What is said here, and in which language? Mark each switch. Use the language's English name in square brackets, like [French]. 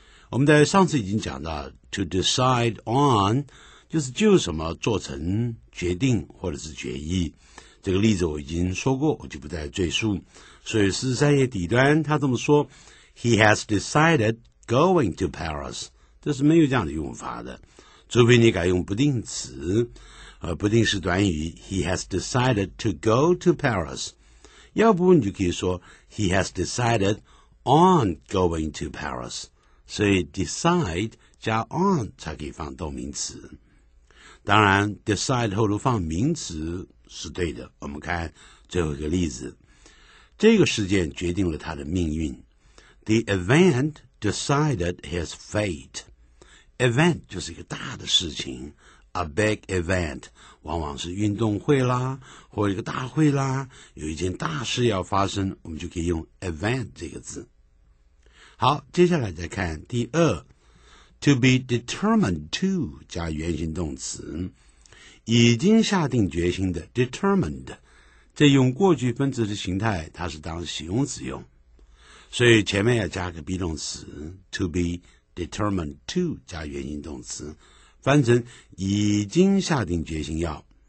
[Chinese] 我们在上次已经讲到 [English] to decide on， [Chinese] 就是就什么做成决定或者是决议。这个例子我已经说过，我就不再赘述。所以43页底端他这么说， [English] He has decided going to Paris， [Chinese] 这是没有这样的用法的，除非你改用不定词。不定式短语 [English] He has decided to go to Paris， [Chinese] 要不你就可以说 [English] He has decided on going to Paris， 所以 decide 加 on [Chinese] 才可以放动名词。当然 decide 后头放名词是对的，我们看最后一个例子，这个事件决定了他的命运。 [English] The event decided his fate。 [Chinese] Event 就是一个大的事情， [English] A big event [Chinese] 往往是运动会啦，或一个大会啦，有一件大事要发生，我们就可以用 event 这个字。好，接下来再看第二， [English] to be determined to [Chinese] 加原形动词，已经下定决心的 determined， 这用过去分词的形态，它是当形容词用，所以前面要加个 be 动词 to be determined to 加原形动词，翻成已经下定决心要。